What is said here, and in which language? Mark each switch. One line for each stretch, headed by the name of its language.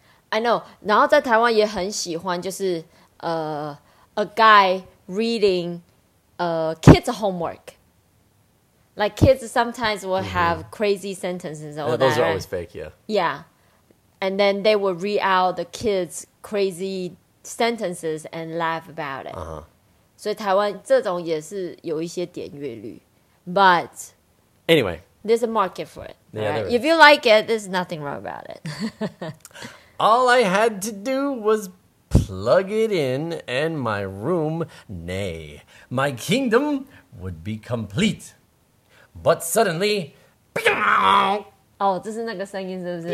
English: I know.
Chinese: 然后在台湾也很喜欢就是
English: a guy reading kids homework. Like kids sometimes will have crazy sentences and all yeah, that. Those are always fake, yeah. Yeah. And then they will read out the kids crazy sentences and laugh about it. Uh-huh.
Chinese: 所以台湾这种也是有一些点阅率
English: But anyway. There's a market for it. Yeah, right? If you like it, there's nothing wrong about it. All I had to do was plug it in and my room, nay, my kingdom would be complete. But suddenly... Oh, this is
Chinese: 那个声音是不是?